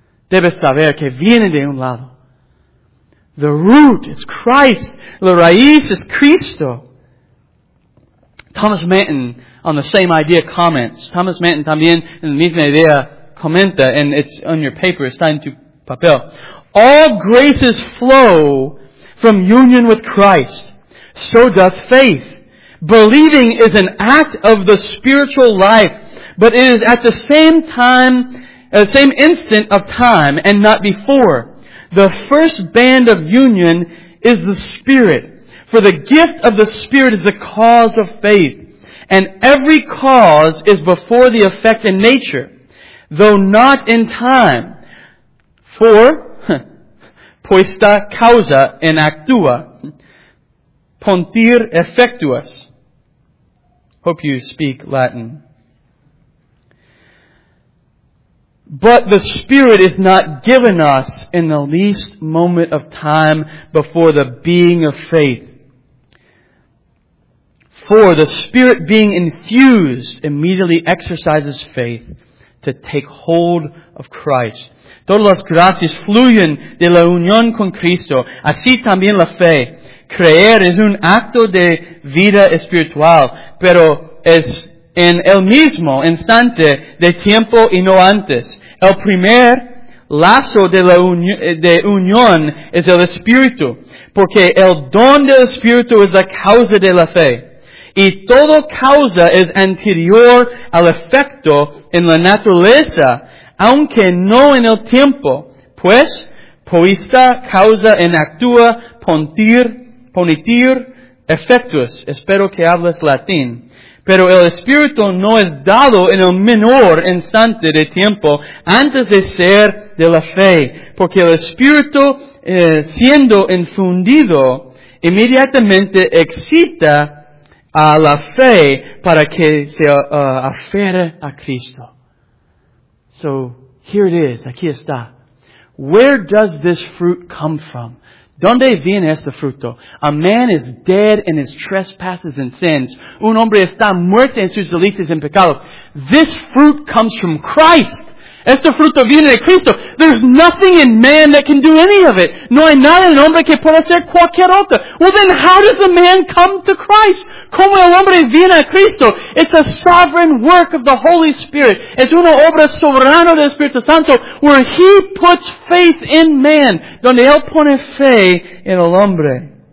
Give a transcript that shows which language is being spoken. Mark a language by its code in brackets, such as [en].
[es] Debes saber que viene de un lado. [en] The root is Christ. [es] La raíz [en] is Cristo. Thomas Manton, on the same idea, comments. [es] Thomas Manton también, en la misma idea, comenta, [en] and it's on your paper, [es] está en tu papel. [en] All graces flow from union with Christ. So doth faith. Believing is an act of the spiritual life, but it is at the same time, at the same instant of time, and not before. The first band of union is the Spirit. For the gift of the Spirit is the cause of faith. And every cause is before the effect in nature, though not in time. [la] For, poista causa in actua, pontir effectuas. [en] Hope you speak Latin. But the Spirit is not given us in the least moment of time before the being of faith. For the Spirit being infused immediately exercises faith to take hold of Christ. [es] Todas las gracias fluyen de la unión con Cristo. Así también la fe. Creer es un acto de vida espiritual, pero es en el mismo instante de tiempo y no antes. El primer lazo de la unión es el Espíritu, porque el don del Espíritu es la causa de la fe. Y toda causa es anterior al efecto en la naturaleza, aunque no en el tiempo. [la] Pues, poista causa en actúa ponitir efectus. [es] Espero que hables latín. Pero el Espíritu no es dado en el menor instante de tiempo antes de ser de la fe. Porque el Espíritu, siendo infundido, inmediatamente excita a la fe para que se afere a Cristo. [en] So, here it is. [es] Aquí está. [en] Where does this fruit come from? [es] ¿Dónde viene este fruto? [en] A man is dead in his trespasses and sins. [es] Un hombre está muerto en sus delitos y pecados. [en] This fruit comes from Christ. [es] Este fruto viene de Cristo. [en] There's nothing in man that can do any of it. [es] No hay nada en el hombre que pueda hacer cualquier otra. [en] Well then, how does a man come to Christ? [es] ¿Cómo el hombre viene a Cristo? [en] It's a sovereign work of the Holy Spirit. [es] Es una obra soberana del Espíritu Santo [en] where He puts faith in man. [es] Donde Él pone fe en el hombre.